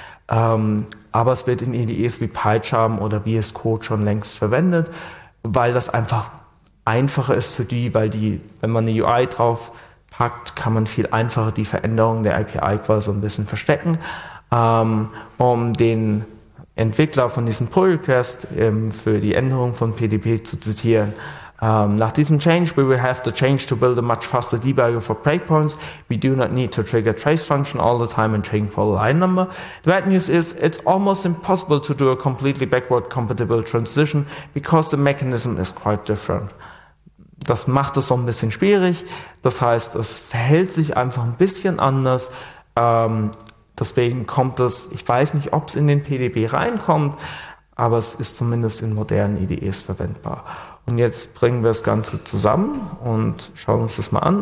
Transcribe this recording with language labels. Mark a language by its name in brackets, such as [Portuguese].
[German] Aber es wird in IDEs wie PyCharm oder VS Code schon längst verwendet, weil das einfach einfacher ist für die, weil die, wenn man eine UI drauf packt, kann man viel einfacher die Veränderungen der API quasi so ein bisschen verstecken. Um den Entwickler von diesem Pull Request für die Änderung von PDP zu zitieren: nach diesem Change, [English] we will have the change to build a much faster debugger for breakpoints. We do not need to trigger trace function all the time and train for a line number. The bad news is, it's almost impossible to do a completely backward compatible transition because the mechanism is quite different. [German] Das macht es so ein bisschen schwierig. Das heißt, es verhält sich einfach ein bisschen anders. Deswegen kommt es, ich weiß nicht, ob es in den PDB reinkommt, aber es ist zumindest in modernen IDEs verwendbar. Und jetzt bringen wir das Ganze zusammen und schauen uns das mal an.